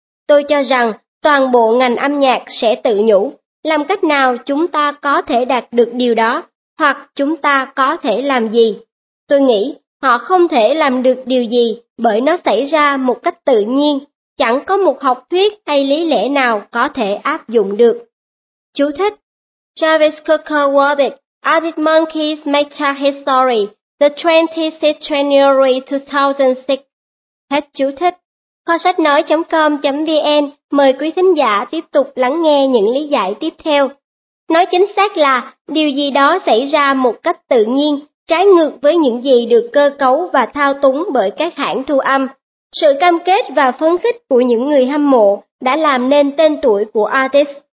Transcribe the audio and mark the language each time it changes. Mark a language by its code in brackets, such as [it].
[vi] Tôi cho rằng toàn bộ ngành âm nhạc sẽ tự nhủ, làm cách nào chúng ta có thể đạt được điều đó, hoặc chúng ta có thể làm gì. Tôi nghĩ họ không thể làm được điều gì bởi nó xảy ra một cách tự nhiên, chẳng có một học thuyết hay lý lẽ nào có thể áp dụng được. Chú thích: [en] Jarvis Cocker wrote it. Arctic Monkeys make chart history the 26th January 2006. [vi] Hết chú thích. Kho sách nói.com.vn mời quý thính giả tiếp tục lắng nghe những lý giải tiếp theo. Nói chính xác là điều gì đó xảy ra một cách tự nhiên, trái ngược với những gì được cơ cấu và thao túng bởi các hãng thu âm. Sự cam kết và phấn khích của những người hâm mộ đã làm nên tên tuổi của artist.